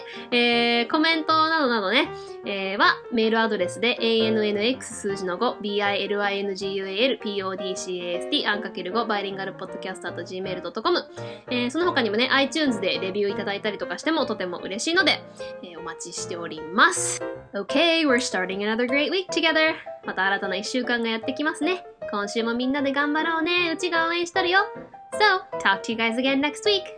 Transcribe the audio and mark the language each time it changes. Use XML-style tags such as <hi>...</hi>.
<ja>で、コメントなどなどね、はメールアドレスで ANNX 数字の5 BILINGUALPODCAST アンかける5バイリンガルポッドキャスターと gmail.com、その他にもね iTunes でレビューいただいたりとかしてもとても嬉しいので、お待ちしております。</ja> <en>Okay, we're starting another great week together.</en> <ja>また新たな1週間がやってきますね。今週もみんなで頑張ろうね。うちが応援してるよ。</ja> <en>So, talk to you guys again next week.</en>